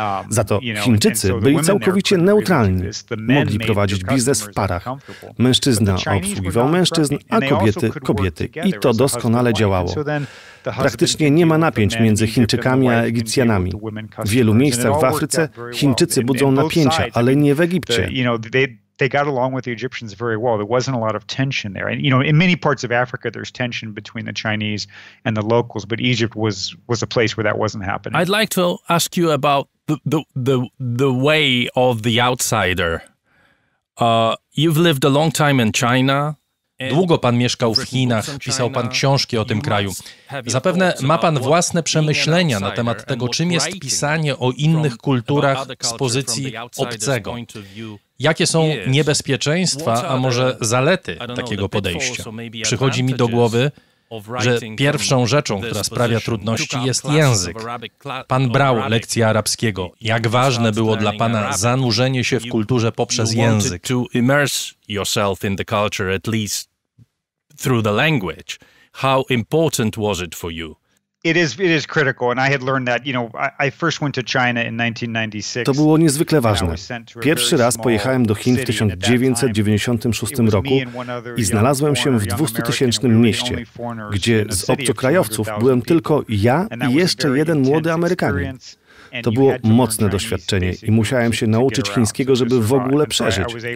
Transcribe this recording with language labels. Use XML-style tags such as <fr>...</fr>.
<pl>Za to Chińczycy byli całkowicie neutralni. Mogli prowadzić biznes w parach. Mężczyzna obsługiwał mężczyzn, a kobiety kobiety. I to doskonale działało. Praktycznie nie ma napięć między Chińczykami a Egipcjanami. W wielu miejscach w Afryce Chińczycy budzą napięcia, ale nie w Egipcie.</pl> <en>They got along with the Egyptians very well. There wasn't a lot of tension there. And, you know, in many parts of Africa, there's tension between the Chinese and the locals, but Egypt was a place where that wasn't happening. I'd like to ask you about the way of the outsider. You've lived a long time in China.</en> <pl>Długo pan mieszkał w Chinach, pisał pan książki o tym kraju. Zapewne ma pan własne przemyślenia na temat tego, czym jest pisanie o innych kulturach z pozycji obcego. Jakie są niebezpieczeństwa, a może zalety takiego podejścia? Przychodzi mi do głowy, że pierwszą rzeczą, która sprawia trudności, jest język. Pan brał lekcję arabskiego. Jak ważne było dla pana zanurzenie się w kulturze poprzez język?</pl> <en>To immerse yourself in the culture, at least through the language. How important was it for you? It is critical, and I had learned that. You know, I first went to China in 1996.</en> <pl>To było niezwykle ważne. Pierwszy raz pojechałem do Chin w 1996 roku i znalazłem się w 200-tysięcznym mieście, gdzie z obcokrajowców byłem tylko ja i jeszcze jeden młody Amerykanin. To było mocne doświadczenie i musiałem się nauczyć chińskiego, żeby w ogóle przeżyć.</pl>